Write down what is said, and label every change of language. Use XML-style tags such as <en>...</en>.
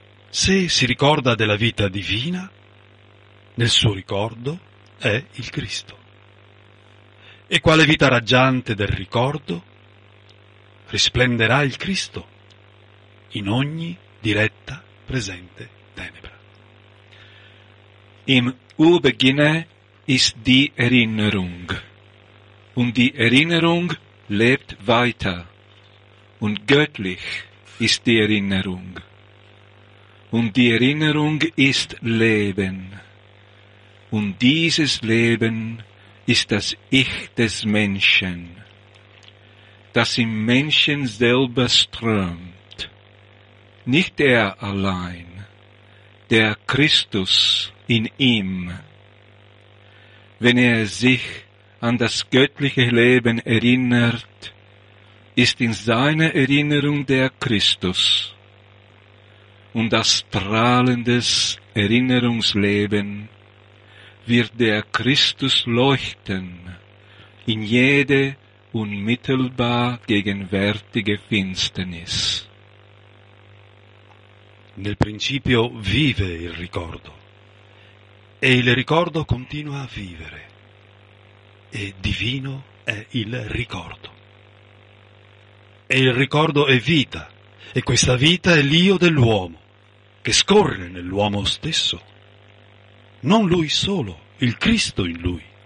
<it>Se si ricorda della vita divina, nel suo ricordo è il Cristo. E quale vita raggiante del ricordo, risplenderà il Cristo in ogni diretta presente tenebra.</it> <de>Im Urbeginne ist die Erinnerung, und die Erinnerung lebt weiter, und göttlich ist die Erinnerung, und die Erinnerung ist Leben, und dieses Leben ist das Ich des Menschen, das im Menschen selber strömt. Nicht er allein, der Christus in ihm. Wenn er sich an das göttliche Leben erinnert, ist in seiner Erinnerung der Christus. Und das strahlendes Erinnerungsleben wird der Christus leuchten in jede unmittelbar gegenwärtige Finsternis.</de> <it>Nel principio vive il ricordo, e il ricordo continua a vivere, e divino è il ricordo. E il ricordo è vita, e questa vita è l'io dell'uomo, che scorre nell'uomo stesso, non lui solo, il Cristo in lui.</it>